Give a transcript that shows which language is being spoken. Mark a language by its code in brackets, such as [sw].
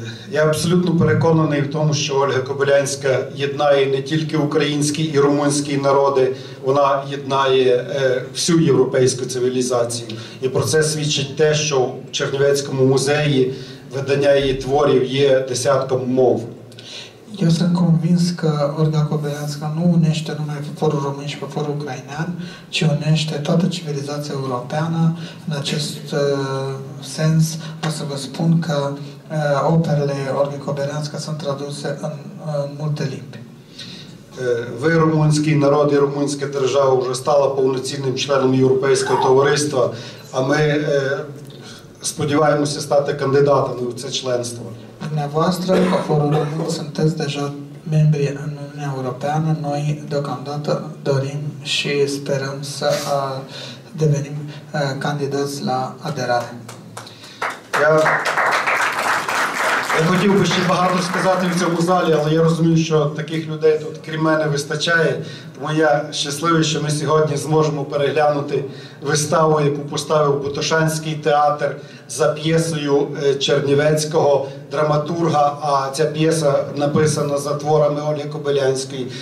[uk] Я абсолютно переконаний в тому, що Ольга Кобилянська єднає не тільки українські і румунські народи, вона єднає всю європейську цивілізацію. І про це свідчить те, що в Чернівецькому музеї видання її творів є десятком мов. [ro] Eu sunt convins că Olga Kobelianska nu unește numai poporul român și poporul ucrainean, ci unește toată civilizația europeană. În acest sens o să vă spun că operele Olgi Kobelianska sunt traduse în multe limbi. [uk] Ви, румунський народ і румунська держава, вже стала повноцінним членом Європейського товариства, а ми сподіваємося стати кандидатами в це членство. [ro] Dumneavoastră, poporul român, sunteți deja membri în Uniunea Europeană. Noi, deocamdată, dorim și sperăm să devenim candidați la aderare. [uk] Я хотів би ще багато сказати в цьому залі, але я розумію, що таких людей тут, крім мене, вистачає. Тому я щасливий, що ми сьогодні зможемо переглянути виставу, яку поставив Ботошанський театр за п'єсою Чернівецького драматурга, а ця п'єса написана за творами Ольги Кобилянської.